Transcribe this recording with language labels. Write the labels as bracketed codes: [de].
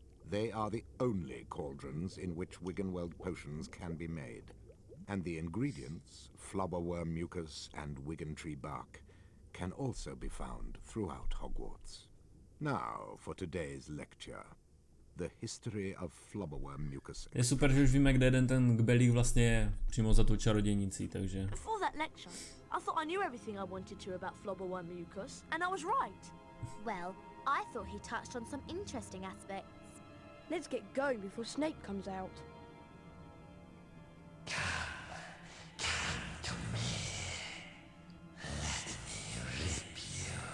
[en] They are the only cauldrons in which Wiganweld potions can be made. And the ingredients, flubberworm mucus and Wigan tree bark, can also be found throughout Hogwarts. Now for today's lecture. The history of flubberworm mucus. [cs] Je super, že už víme, kde jeden ten kbelík vlastně je přímo za tu čarodějnicí, takže. [en] Before that lecture, I thought I knew everything I wanted to about flubberworm mucus, and I was right. Well, I thought he touched on some interesting aspects. Let's get going before Snape comes out. Come, come to me. Let me rip you.